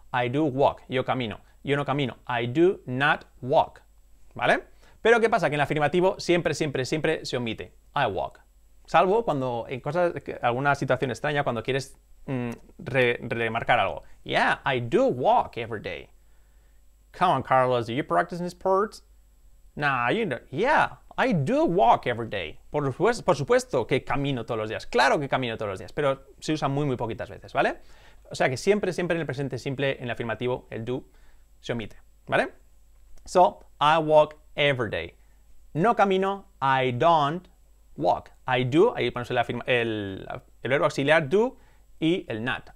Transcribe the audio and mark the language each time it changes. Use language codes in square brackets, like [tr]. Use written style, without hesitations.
[en] I do walk, [es] yo camino, yo no camino, [en] I do not walk, ¿vale? [es] Pero ¿qué pasa? Que en el afirmativo siempre, siempre, siempre se omite, [en] I walk, [es] salvo cuando en cosas, alguna situación extraña, cuando quieres remarcar algo. [en] Yeah, I do walk every day. Come on, Carlos, do you practice in sports? Nah, you know, yeah, I do walk every day. [es] Por supuesto que camino todos los días. Claro que camino todos los días, pero se usa muy, muy poquitas veces, ¿vale? O sea que siempre, siempre en el presente simple, en el afirmativo, el do se omite, ¿vale? [en] So, I walk every day. [es] No camino, [en] I don't walk. I do, [es] ahí ponemos el verbo auxiliar, do, y el not.